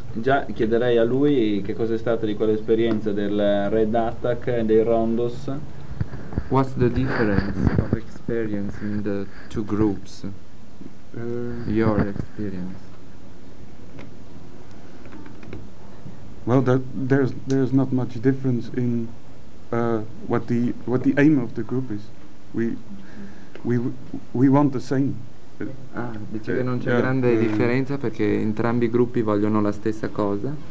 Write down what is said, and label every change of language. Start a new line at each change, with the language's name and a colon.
Italian: Già chiederei a lui che cosa è stata di quell'esperienza del Red Attack e dei Rondos.
English: What's the difference of experience in the two groups? Your experience. Well, there's not much difference in what the aim of the group is. We want the same.
Italian: Dice che non c'è grande differenza perché entrambi i gruppi vogliono la stessa cosa.